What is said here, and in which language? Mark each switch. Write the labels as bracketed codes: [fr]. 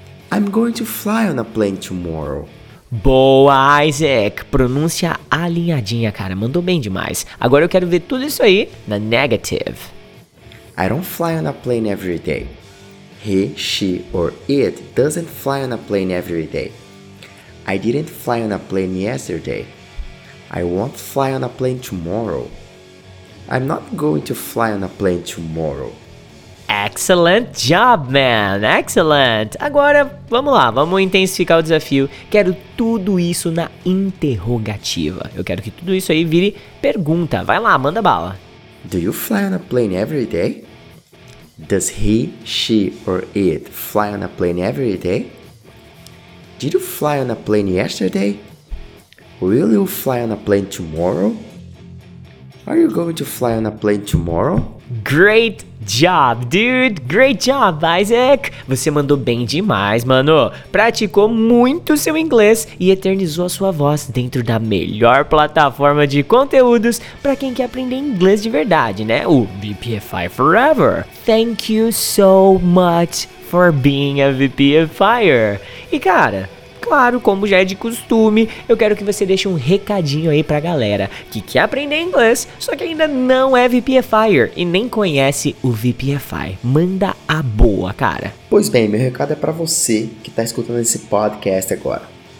[en] I'm going to fly on a plane tomorrow. [pt] Boa, Isaac! Pronúncia alinhadinha, cara. Mandou bem demais. Agora eu quero ver tudo isso aí na negative. [en] I don't fly on a plane every day. He, she, or it doesn't fly on a plane every day. I didn't fly on a plane yesterday. I won't fly on a plane tomorrow. I'm not going to fly on a plane tomorrow. Excellent job, man! Excellent! [pt] Agora, vamos lá, vamos intensificar o desafio. Quero tudo isso na interrogativa. Eu quero que tudo isso aí vire pergunta. Vai lá, manda bala. [en] Do you fly on a plane every day? Does he, she, or it fly on a plane every day? Did you fly on a plane yesterday? Will you fly on a plane tomorrow? Are you going to fly on a plane tomorrow? Great job, dude! Great job, Isaac! [pt] Você mandou bem demais, mano! Praticou muito seu inglês e eternizou a sua voz dentro da melhor plataforma de conteúdos para quem quer aprender inglês de verdade, né? O VPFI Forever! [en] Thank you so much for being a VPFier! [pt] E cara, claro, como já é de costume, eu quero que você deixe um recadinho aí pra galera que quer aprender inglês, só que ainda não é VPFire e nem conhece o VPFI. Manda a boa, cara. Pois bem, meu recado é pra você que tá escutando esse podcast agora.